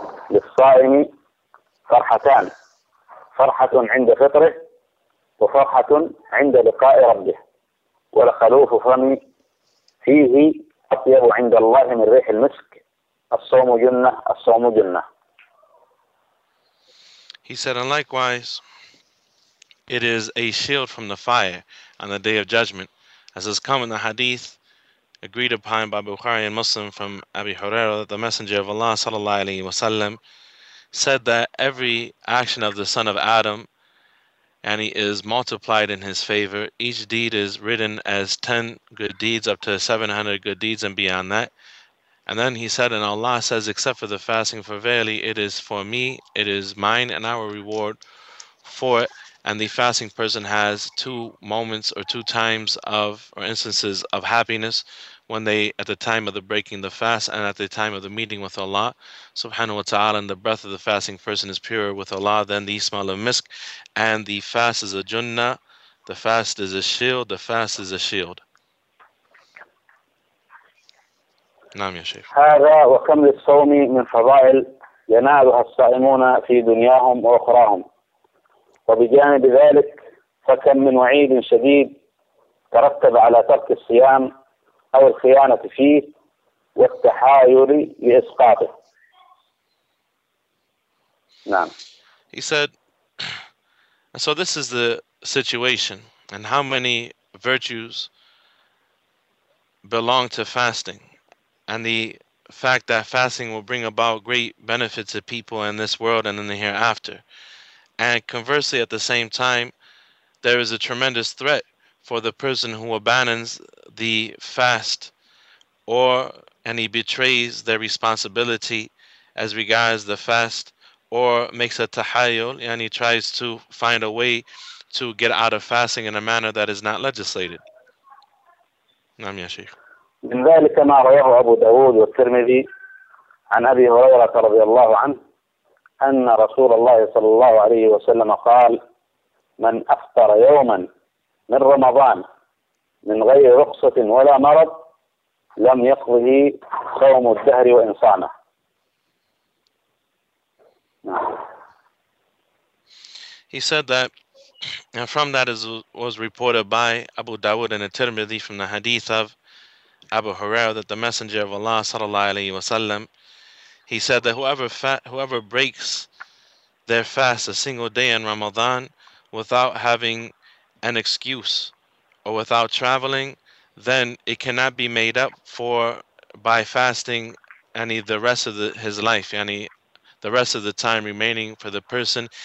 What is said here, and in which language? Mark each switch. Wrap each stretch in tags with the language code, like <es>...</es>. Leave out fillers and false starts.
<ar>للصائم فرحتان: فرحة عند فطره وفرحة عند لقاء ربه، ولخلوف فمي فيه أطيب عند الله من ريح المسك. الصوم جنة، الصوم جنة.</ar> <en>He said, and likewise, it is a shield from the fire on the day of judgment, as has come in the hadith agreed upon by Bukhari and Muslim from Abi Huraira, that the Messenger of Allah sallallahu alaihi wasallam said that every action of the son of Adam, and he is multiplied in his favor, each deed is written as 10 good deeds up to 700 good deeds and beyond that. And then he said, and Allah says, except for the fasting, for verily it is for me, it is mine, and I will reward for it. And the fasting person has two moments or two times of, or instances of happiness, when they, at the time of the breaking the fast and at the time of the meeting with Allah subhanahu wa ta'ala, and the breath of the fasting person is purer with Allah than the smell of misk. And the fast is a junnah, the fast is a shield, the fast is a shield.</en> <ar>نعم يا شيخ. هذا وكم للصوم من فضائل ينالها الصائمون في دنياهم وأخراهم، وبجانب ذلك فكم من وعيد شديد ترتب على ترك الصيام أو الخيانة فيه والتحايل لإسقاطه. نعم.</ar> <en>He said, so this is the situation, and how many virtues belong to fasting? And the fact that fasting will bring about great benefits to people in this world and in the hereafter. And conversely, at the same time, there is a tremendous threat for the person who abandons the fast, or and he betrays their responsibility as regards the fast, or makes a tahayyul, and he tries to find a way to get out of fasting in a manner that is not legislated.</en> <ar>Nam ya Sheikh. من ذلك ما رواه أبو داود والترمذي عن أبي هريرة رضي الله عنه أن رسول الله صلى الله عليه وسلم قال: من أفطر يوما من رمضان من غير رخصة ولا مرض لم يقضه صوم الدهر وإن صامه.</ar> <en>He said that, and from that is, was reported by Abu Dawood and at-Tirmidhi from the hadith of Abu Hurairah, that the Messenger of Allah sallallahu alaihi wasallam, he said that whoever breaks their fast a single day in Ramadan without having an excuse or without traveling, then it cannot be made up for by fasting any the rest of his life, any the rest of the time remaining for the person.</en>